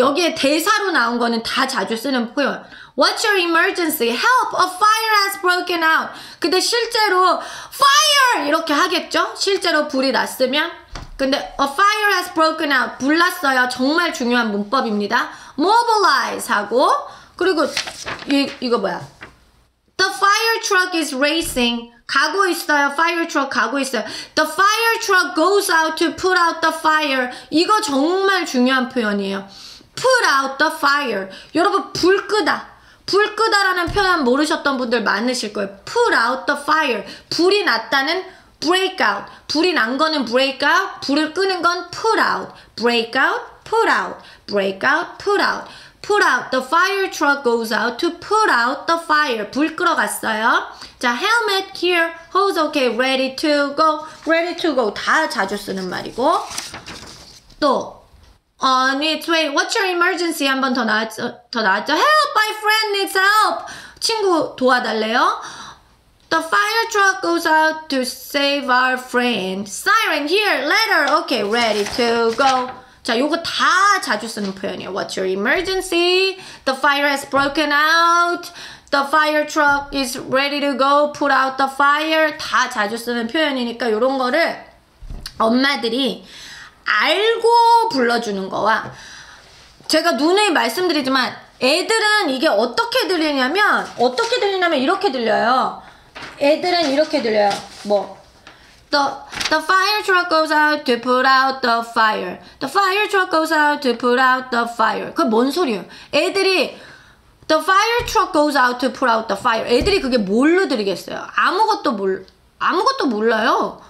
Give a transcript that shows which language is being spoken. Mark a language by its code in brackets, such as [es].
[ko] 여기에 대사로 나온 거는 다 자주 쓰는 표현. [en] What's your emergency? Help! A fire has broken out. [ko] 근데 실제로 fire 이렇게 하겠죠? 실제로 불이 났으면. 근데 [en] a fire has broken out. [ko] 불 났어요. 정말 중요한 문법입니다. Mobilize 하고 그리고 이거 뭐야? [en] The fire truck is racing. [ko] 가고 있어요. Fire truck 가고 있어요. [en] The fire truck goes out to put out the fire. [ko] 이거 정말 중요한 표현이에요. [en] Put out the fire. [ko] 여러분 불 끄다. 불 끄다라는 표현 모르셨던 분들 많으실 거예요. [en] Put out the fire. [ko] 불이 났다는 break out. 불이 난 거는 break out. 불을 끄는 건 put out. [en] Break out, put out. Break out, put out. Put out. The fire truck goes out to put out the fire. [ko] 불 끌어 갔어요. [en] 자, helmet, gear, hose, okay, ready to go. Ready to go. [ko] 다 자주 쓰는 말이고. [en] 또, on its way. What's your emergency? [ko] 한 번 더 나왔죠. [en] Help, my friend needs help. [ko] 친구 도와달래요. [en] The fire truck goes out to save our friend. Siren, here, letter, okay, ready to go. [ko] 자, 요거 다 자주 쓰는 표현이에요. [en] What's your emergency? The fire has broken out. The fire truck is ready to go. Put out the fire. [ko] 다 자주 쓰는 표현이니까 요런 거를 엄마들이 알고 불러주는 거와 제가 누누이 말씀드리지만 애들은 이게 어떻게 들리냐면 이렇게 들려요. 애들은 이렇게 들려요. [en] 뭐 The fire truck goes out to put out the fire. The fire truck goes out to put out the fire. [ko] 그게 뭔 소리예요? 애들이 [en] The fire truck goes out to put out the fire. [ko] 애들이 그게 뭘로 들리겠어요? 아무것도 몰라요.